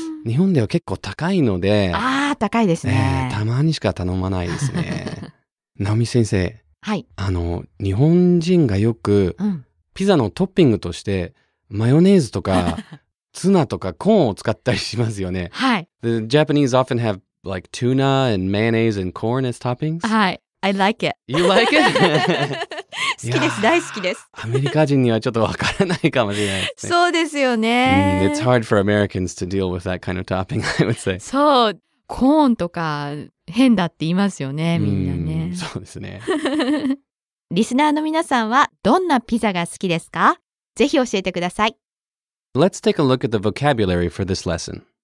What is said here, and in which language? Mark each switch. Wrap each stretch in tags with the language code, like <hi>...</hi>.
<ja>日本では結構高いので。ああ、高いですね、たまにしか頼まないですね。ナオミ先生。はい。あの、日本人がよく、ピザのトッピングとして、マヨネーズとか、ツナとかコーンを使ったりしますよね。はい。</ja> <en>The Japanese often have, like, tuna and mayonnaise and corn as toppings.</en> <ja>はい。</ja> <en>I like it. You like it?</en> <ja>好きです、大好きです。アメリカ人にはちょっとわからないかもしれないですね。そうですよね。</ja> <en>It's hard for Americans to deal with that kind of topping, I would say.</en> <ja>そう、コーンとか変だって言いますよね、みんなね。そうですね。リスナーの皆さんはどんなピザが好きですか？ぜひ教えてください。</ja> <en>Let's take a look at the vocabulary for this lesson.</en>